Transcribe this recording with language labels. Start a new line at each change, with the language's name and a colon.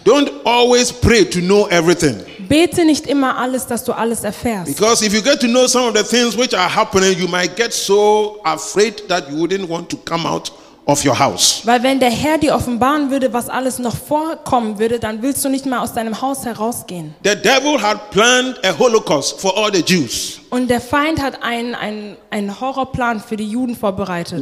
English: Don't always pray to know everything.
German: Bete nicht immer alles, dass du alles erfährst.
English: Because if you get to know some of the things which are happening, you might get so afraid that you wouldn't want to come out of your house.
German: Weil wenn der Herr dir offenbaren würde, was alles noch vorkommen würde, dann willst du nicht mal aus deinem Haus herausgehen.
English: The devil had planned a Holocaust for all the Jews.
German: Und der Feind hat einen Horrorplan für die Juden vorbereitet.